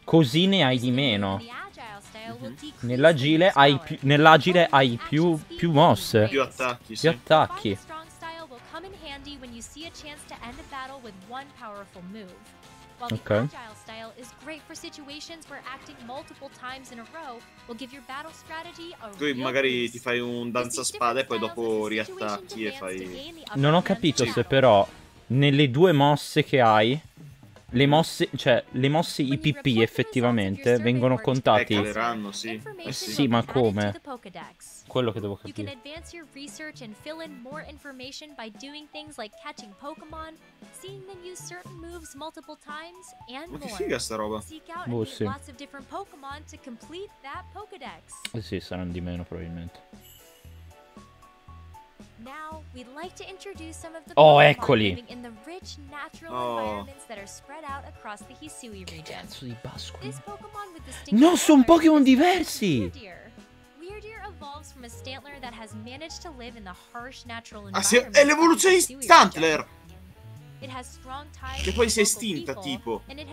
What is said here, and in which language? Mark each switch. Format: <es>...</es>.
<it>Così ne hai di meno. Nell'agile hai più, nell'agile hai più mosse. Più attacchi.</it> <en>The strong style will come in handy when you see a chance to end a battle with one powerful move. While the agile style is great for situations where acting multiple times in a row will give your battle strategy a real boost.</en> <it>Magari ti fai un danza spada e poi dopo riattacchi e fai... Non ho capito se però nelle due mosse che hai, le mosse, cioè le mosse IPP effettivamente vengono contati. Caleranno, sì. Sì, ma come? Quello che devo capire.</it> <en>You can advance your research and fill in more information by doing things like catching Pokemon, seeing them use certain moves multiple times, and more.</en> <it>Ma che figa sta roba.</it> <en>Seek out and meet lots of different Pokemon to complete that Pokedex.</en> <it>Sì, saranno di meno probabilmente.</it> <en>Now we'd like to introduce some of the Pokemon eccoli. Living in the rich natural environments that are spread out across the Hisui region.</en> <it>Che di Pasqua. No, sono Pokemon diversi.</it> <en>Weirdeer evolves from a Stantler that has managed to live in the harsh natural environment.</en> <it>Ah, sì, è l'evoluzione di Stantler.</it> <en>It has strong ties.</en> <it>Che poi si è estinta, tipo.</it>